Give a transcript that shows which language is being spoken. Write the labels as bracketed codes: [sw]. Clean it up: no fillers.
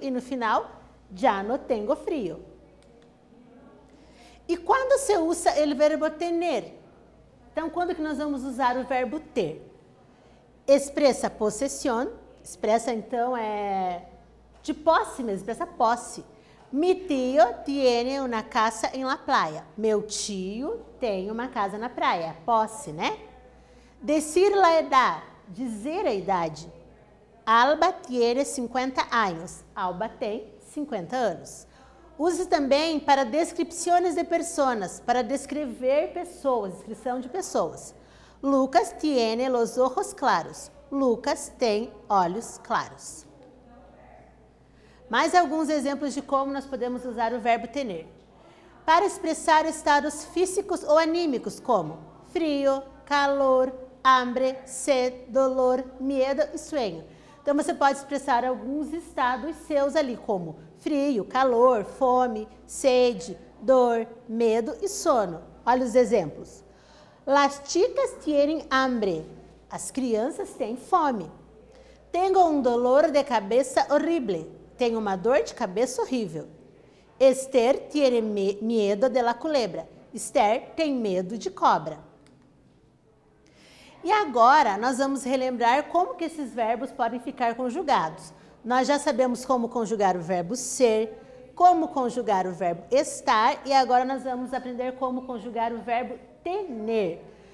[pt] E no final, [es] ya no tengo frio. [pt] E quando você usa o verbo tener? Então, quando que nós vamos usar o verbo ter? Expressa possession. Expressa, então, é de posse mesmo, expressa posse. [es] Mi tio tiene una casa en la playa. [pt] Meu tio tem uma casa na praia, posse, né? [es] Decir la edad, [pt] dizer a idade. [es] Alba tiene 50 años. [pt] Alba tem 50 anos. Use também para [es] descripciones de personas, [pt] para descrever pessoas, descrição de pessoas. [es] Lucas tiene los ojos claros. [pt] Lucas tem olhos claros. Mais alguns exemplos de como nós podemos usar o verbo tener. Para expressar estados físicos ou anímicos, como frio, calor, hambre, sede, dolor, medo e sonho. Então você pode expressar alguns estados seus ali, como frio, calor, fome, sede, dor, medo e sono. Olha os exemplos. [es] Las chicas tienen hambre. [pt] As crianças têm fome. [es] Tengo un dolor de cabeza horrible. [pt] Tenho uma dor de cabeça horrível. [es] Esther tiene miedo de la culebra. [pt] Esther tem medo de cobra. E agora nós vamos relembrar como que esses verbos podem ficar conjugados. Nós já sabemos como conjugar o verbo ser, como conjugar o verbo estar e agora nós vamos aprender como conjugar o verbo tener.